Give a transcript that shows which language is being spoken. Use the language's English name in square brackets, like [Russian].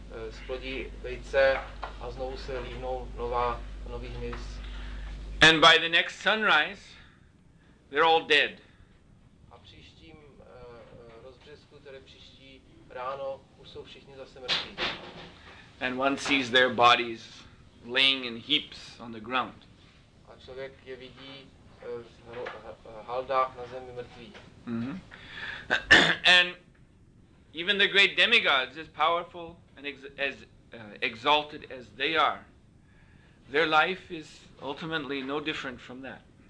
[Czech] splodí vejce a znovu se líhnou nový hmyz. [English] And by the next sunrise, they're all dead. [Czech] A příštím rozbřesku, tedy příští ráno, už jsou všichni zase mrtví. [English] And one sees their bodies laying in heaps on the ground. [Czech] A člověk je vidí v haldách na zemi mrtví. [English] And even the great demigods, as powerful and exalted as they are, their life is ultimately no different from that.